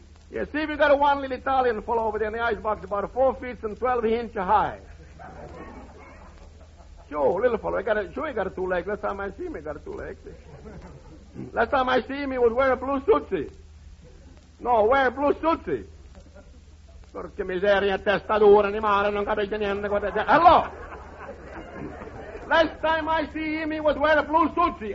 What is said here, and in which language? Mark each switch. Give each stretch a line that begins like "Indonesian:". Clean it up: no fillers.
English: Yeah, see, we got one little Italian fellow over there in the icebox about 4 feet and 12 inches high. Sure, little fellow. Sure, he got a two legs. Last time I see him, he got a two legs. Last time I see him, he was wearing a blue suitsy. No, wearing a blue suitsy.
Italian: Porca miseria, testa dura, animale, non capisce niente.
English: Hello! Last time I see him, he was wearing a blue suitsy.